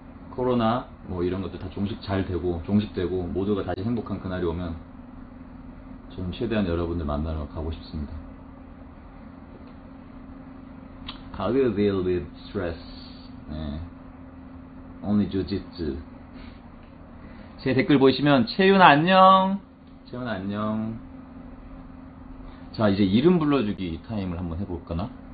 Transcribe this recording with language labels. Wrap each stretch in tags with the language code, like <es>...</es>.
<ko>코로나 뭐 이런 것도 다 종식되고 모두가 다시 행복한 그날이 오면 저는 최대한 여러분들 만나러 가고 싶습니다.</ko> <en>How do you deal with stress? 네. Only jiu-jitsu.</en> <ko>제 댓글 보시면 채윤 안녕. 채윤 안녕. 자, 이제 이름 불러주기 타임을 한번 해볼까나?</ko>